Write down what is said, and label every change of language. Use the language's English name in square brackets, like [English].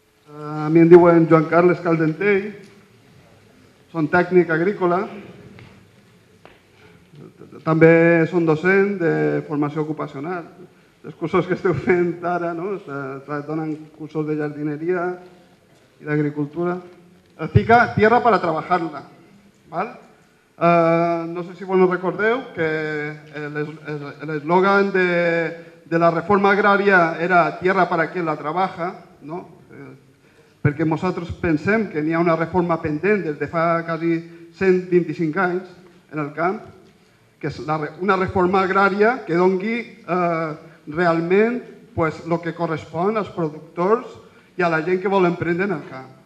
[Catalan] A mi em diuen Joan Carles Caldentell, són tècnic agrícola, també són docent de formació ocupacional. Els cursos que esteu fent ara, no? Donen cursos de jardineria i d'agricultura. [Spanish] Fica tierra para trabajarla, ¿vale? No sé si [Catalan] vos no recordeu [Spanish] que el eslogan de la reforma agrària era tierra para quien la trabaja, ¿no? [Catalan] Perquè nosaltres pensem que n'hi ha una reforma pendent des de fa quasi 125 anys en el camp, que és una reforma agrària que doni realment pues, lo que correspon als productors i a la gent que vol emprendre en el camp.